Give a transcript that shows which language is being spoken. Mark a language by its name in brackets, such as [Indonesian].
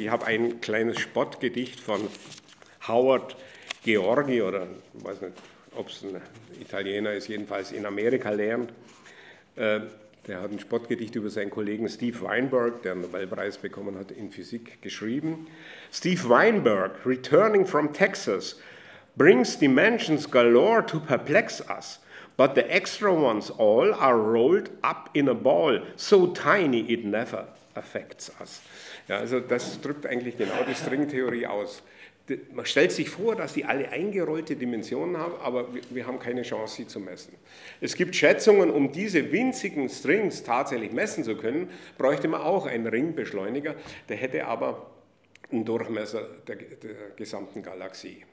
[German] Ich habe ein kleines Spottgedicht von Howard Georgi oder ich weiß nicht, ob es ein Italiener ist, jedenfalls in Amerika lernt. Der hat ein Spottgedicht über seinen Kollegen Steve Weinberg, der einen Nobelpreis bekommen hat in Physik, geschrieben. [English] Steve Weinberg, returning from Texas, brings dimensions galore to perplex us, but the extra ones all are rolled up in a ball, so tiny it never affects us. [German] Ja, also das drückt eigentlich genau die Stringtheorie aus. Man stellt sich vor, dass sie alle eingerollte Dimensionen haben, aber wir haben keine Chance, sie zu messen. Es gibt Schätzungen, um diese winzigen Strings tatsächlich messen zu können, bräuchte man auch einen Ringbeschleuniger, der hätte aber einen Durchmesser der gesamten Galaxie.